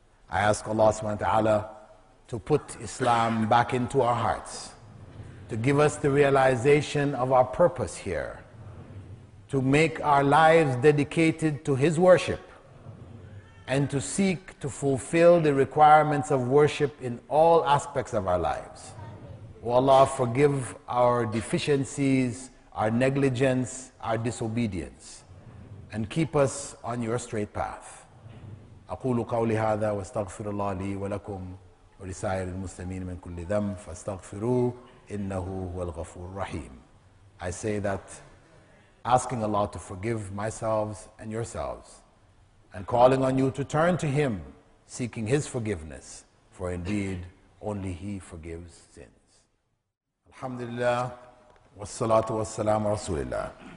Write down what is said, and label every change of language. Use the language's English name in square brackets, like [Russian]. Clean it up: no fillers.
[English] I ask Allah subhanahu wa ta'ala to put Islam back into our hearts, to give us the realization of our purpose here, to make our lives dedicated to His worship, and to seek to fulfill the requirements of worship in all aspects of our lives. O Allah, forgive our deficiencies, our negligence, our disobedience, and keep us on your straight path. [Arabic] أقول قولي هذا واستغفر الله لي ولكم ولسائر المسلمين من كل ذنب فاستغفروه إنه هو الغفور الرحيم. [English] I say that asking Allah to forgive myself and yourselves, and calling on you to turn to Him, seeking His forgiveness, for indeed only He forgives sin. [Arabic] Alhamdulillah, wassalatu wassalamu rasulillah.